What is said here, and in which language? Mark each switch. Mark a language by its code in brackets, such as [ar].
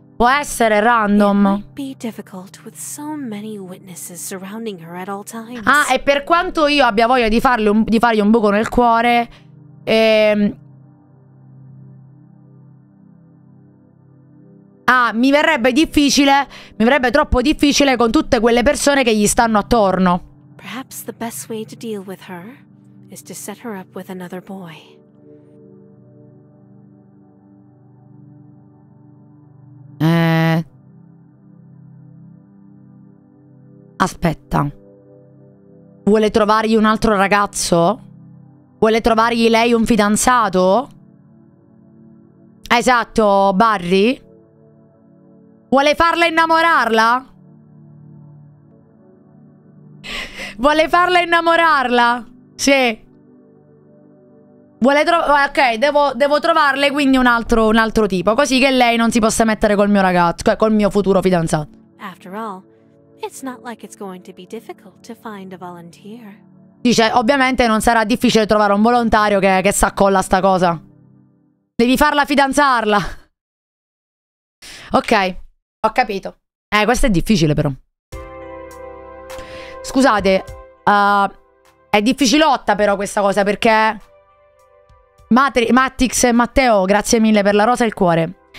[it] Può essere random. Ah, e per quanto io abbia voglia di fargli un buco nel cuore, mi verrebbe difficile, mi verrebbe troppo difficile con tutte quelle persone che gli stanno attorno. [en] Perhaps the best way to deal with her is to set her up with another boy. [it] Aspetta. Vuole trovargli un altro ragazzo? Vuole trovargli lei un fidanzato? Esatto, Barry. Vuole farla innamorarla? Vuole farla innamorarla? Sì. Ok, devo trovarle quindi un altro tipo, così che lei non si possa mettere col mio ragazzo, col mio futuro fidanzato. [en] After all, It's not like it's going to be difficult to find a volunteer. [it] Dice, ovviamente non sarà difficile trovare un volontario che sa colla sta cosa. Devi farla fidanzarla. Ok, ho capito. Questo è difficile però. Scusate, è difficilotta però questa cosa, perché Matrix e Matteo, grazie mille per la rosa e il cuore.